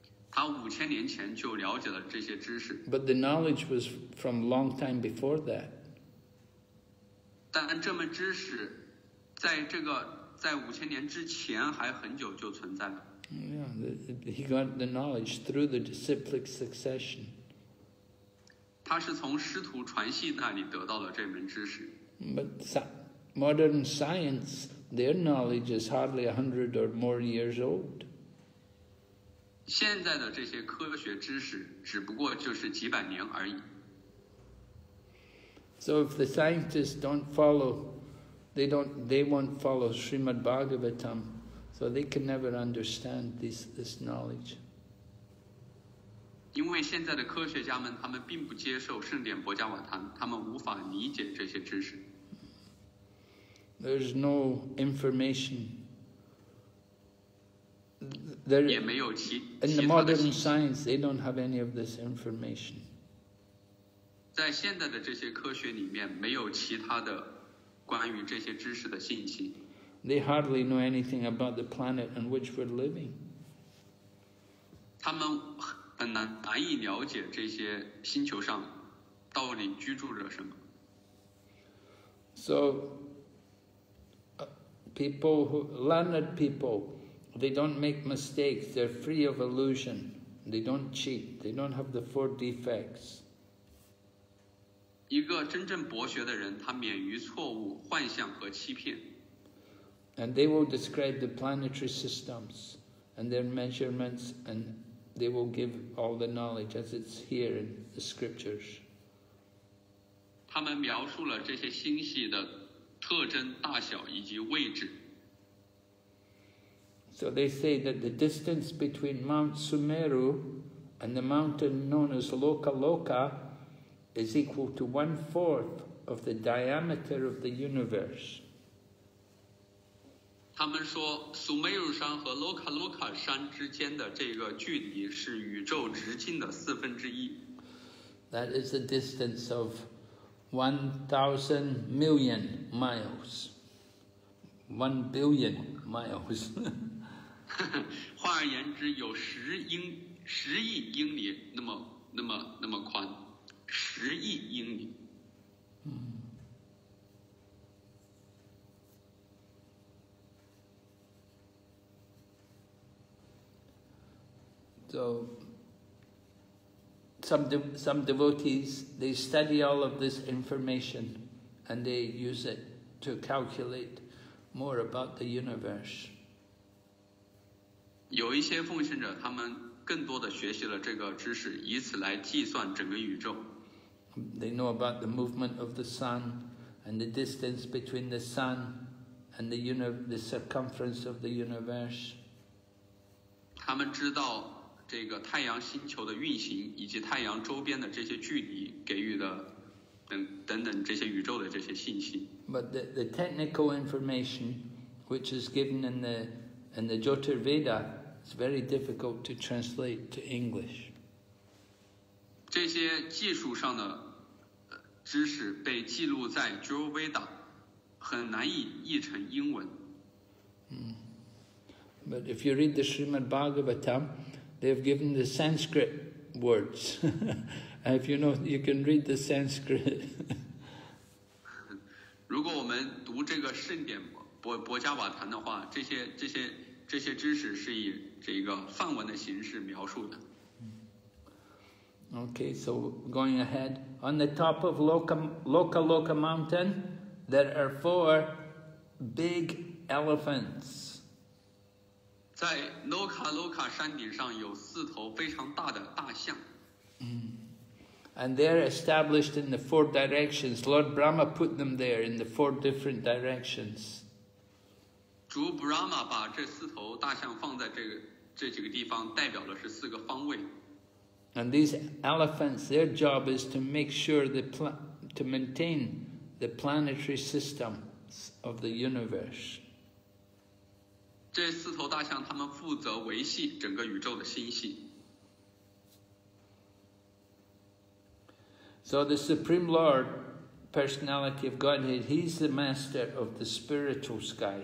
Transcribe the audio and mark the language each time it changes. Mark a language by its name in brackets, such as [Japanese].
[Chinese] 他五千年前就了解了这些知识。 [English] But the knowledge was from a long time before that. [Chinese] 但这门知识在五千年之前还很久就存在了。 [English] Yeah, he got the knowledge through the disciplic succession. [Chinese] 他是从师徒传系那里得到了这门知识。 [English] But modern science, their knowledge is hardly 100 or more years old. [Chinese] 现在的这些科学知识只不过就是几百年而已。 [English] So if the scientists don't follow,They won't follow Srimad Bhagavatam, so they can never understand this knowledge. [Chinese] 因为现在的科学家们，他们并不接受圣典博伽瓦坛，他们无法理解这些知识。 [English] There's no information. There [Chinese] 也没有其他的信息。 [English] In the modern science, they don't have any of this information. [Chinese] 在现在的这些科学里面，没有其他的关于这些知识的信息。 [English] They hardly know anything about the planet on which we're living. [Chinese] 他们很难以了解这些星球上到底居住着什么。 [English] So, people, who, learned people, they don't make mistakes. They're free of illusion. They don't cheat. They don't have the four defects. [Chinese] 一个真正博学的人，他免于错误、幻象和欺骗。 [English] And they will describe the planetary systems and their measurements, and they will give all the knowledge as it's here in the scriptures. [Chinese] 他们描述了这些星系的特征、大小以及位置。 [English] So they say that the distance between Mount Sumeru and the mountain known as Loka Loka is equal to 1/4 of the diameter of the universe. [Chinese] 他们说，苏美尔山和洛卡洛卡山之间的这个距离是宇宙直径的四分之一。 [English] That is a distance of 1,000 million miles. 1 billion miles. [Chinese] 换而言之，有十亿英里那么宽，十亿英里。 [English] So, some devotees, they study all of this information and they use it to calculate more about the universe. [Chinese] 有一些奉行者，他们更多地学习了这个知识，以此来计算整个宇宙。 [English] They know about the movement of the sun and the distance between the sun and the circumference of the universe. [Chinese] 他们知道这个太阳星球的运行以及太阳周边的这些距离给予的等等这些宇宙的这些信息。 [English] But the technical information which is given in the Jyotirveda is very difficult to translate to English. [Chinese] 这些技术上的知识被记录在 Jyotirveda 很难以译成英文。 [English] But if you read the Srimad Bhagavatam,They've given the Sanskrit words. If you know, you can read the Sanskrit. [Chinese] 如果我们读这个圣典博伽瓦坛的话，这些知识是以这个梵文的形式描述的。 [English] Okay, so going ahead, on the top of Loka Loka Mountain, there are four big elephants. [Chinese] 在 Loka Loka 山顶上有四头非常大的大象。 [English] And they're established in the four directions. Lord Brahma put them there in the four different directions. [Chinese] 主 Brahma 把这四头大象放在这几个地方，代表的是四个方位。 [English] And these elephants, their job is to make sure to maintain the planetary systems of the universe. [Chinese] 这四头大象，他们负责维系整个宇宙的星系。 [English] So the Supreme Lord, Personality of Godhead, He's the master of the spiritual sky.